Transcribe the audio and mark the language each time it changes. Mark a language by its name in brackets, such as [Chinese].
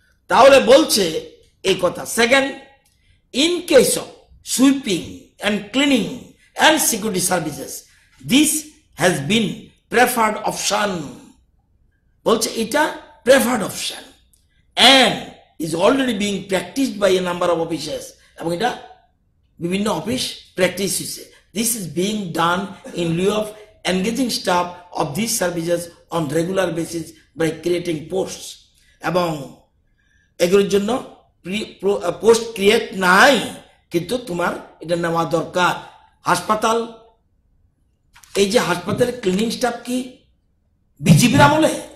[Bangla] তাহলে বলছে এই কথা। [English] second, in case of sweeping and cleaning and security services this has been preferred option, [Bangla] বলছে এটা preferred option [English] and is already being practised by a number of offices, [Bangla] এবং এটা বিভিন্ন অফিস প্র্যাকটিস হয়েছে। [English] This is being done in lieu of engaging staff of these services on regular basis by creating posts. [Bangla] এবং এগুলোর জন্য post create নাই, কিন্তু তোমার এটা নেওয়া দরকার। হাসপাতাল, এই যে হাসপাতালের ক্লিনিং স্টাফ কি বিজেপির আমলে?